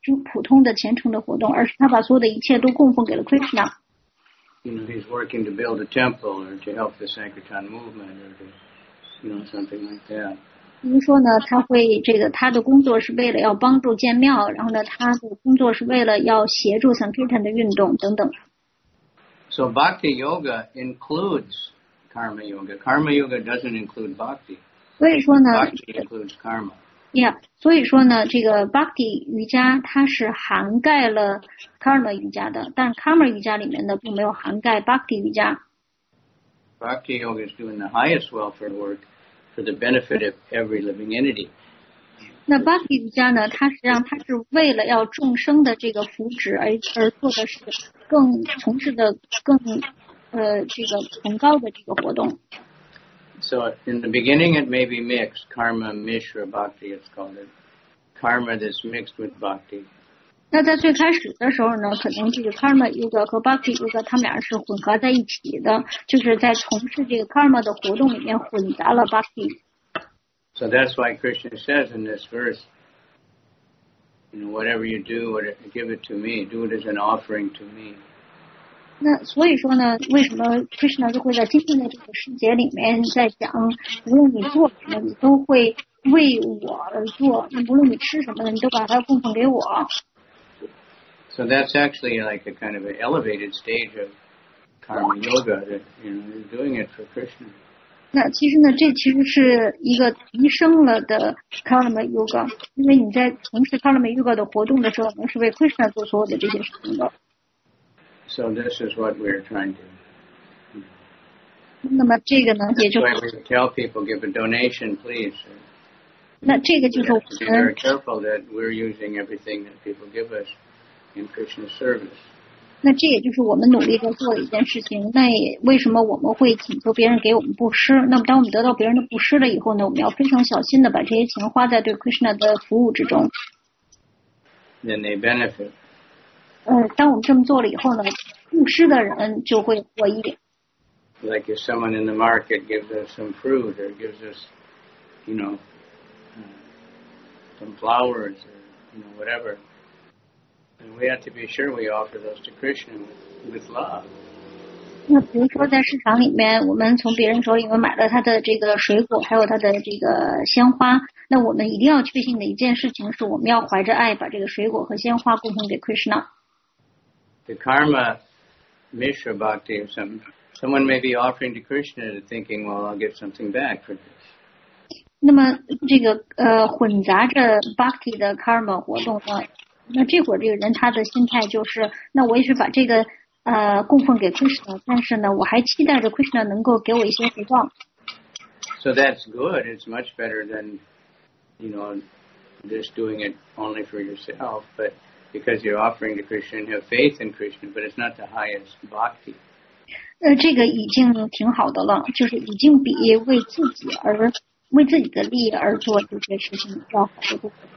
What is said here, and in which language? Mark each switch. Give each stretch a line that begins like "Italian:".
Chinese: 那也就是说呢，他并不是在做一个普通的一个布施活动，或者是从事一个普通的虔诚的活动，而是他把所有的一切都供奉给了 Krishna.
English: You know, he's working to build a temple or to help the Sankirtan movement or to, you know, something like that.
Chinese: 比如说呢，他的工作是为了要帮助建庙，然后呢，他的工作是为了要协助 Sankirtan 的运动等等。
English: So Bhakti Yoga includes Karma Yoga. Karma Yoga doesn't include Bhakti.
Chinese: 所以说呢,
English: Bhakti includes Karma.
Chinese: Yeah, 所以说呢, 这个 Bhakti 瑜伽, 它是涵盖了 Karma 瑜伽的, 但 Karma 瑜伽里面呢, 并没有涵盖 Bhakti 瑜伽。
English: Bhakti Yoga is doing the highest welfare work for the benefit of every living entity.
Chinese: 那 Bhakti 瑜伽呢, 它实际上它是为了要众生的这个福祉而做的是更从事的更
English: So in the beginning it may be mixed, karma, mishra, bhakti it's called it. Karma that's mixed with bhakti.
Chinese: 那在最开始的时候呢，可能这个karma yoga和bhakti yoga它们俩是混合在一起的，就是在从事这个karma的活动里面混杂了bhakti。
English: So that's why Krishna says in this verse, you know, whatever you do, give it to me, do it as an offering to me.
Chinese: 那所以说呢，为什么 Krishna 就会在今天的这个世界里面在讲，无论你做什么，你都会为我而做，无论你吃什么的，你都把它供奉给我。
English: So that's actually like a kind of an elevated stage of karma yoga that, you know, is doing it for Krishna.
Chinese: 那其实呢，这其实是一个提升了的 karma yoga， 因为你在从事 karma yoga 的活动的时候，你是为 Krishna 做所有的这些事情的。
English: So this is what we're trying to.
Chinese: 那么这个呢，也就
English: 是 tell people give a donation, please.
Chinese: 那这个就是我们
English: be very careful that we're using everything that people give us. In Krishna's service.
Chinese: 那这也就是我们努力在做的一件事情。那也为什么我们会请求别人给我们布施？那么当我们得到别人的布施了以后呢，我们要非常小心的把这些钱花在对 Krishna 的服务之中。
English: Then they benefit.
Chinese: 当我们这么做了以后呢，布施的人就会获益。
English: Like if someone in the market gives us some fruit or gives us, you know, some flowers or you know whatever. And we have to be sure we offer those to Krishna with love.
Chinese: 那比如说在市场里面，我们从别人手里面买了他的这个水果，还有他的这个鲜花，那我们一定要确信的一件事情是，我们要怀着爱把这个水果和鲜花供奉给 Krishna.
English: The karma, Mishra Bhakti, or someone may be offering to Krishna, thinking, well, I'll get something back for this.
Chinese: 那么这个混杂着 Bhakti 的 karma 活动呢？那这会儿这个人他的心态就是，那我也是把这个供奉给 Krishna， 但是呢，我还期待着 Krishna 能够给我一些回报。
English: So that's good. It's much better than, you know, just doing it only for yourself. But because you're offering to Krishna, you have faith in Krishna, but it's not the highest bhakti.
Chinese: 这个已经挺好的了，就是已经比为自己的利益而做这些事情要好得多。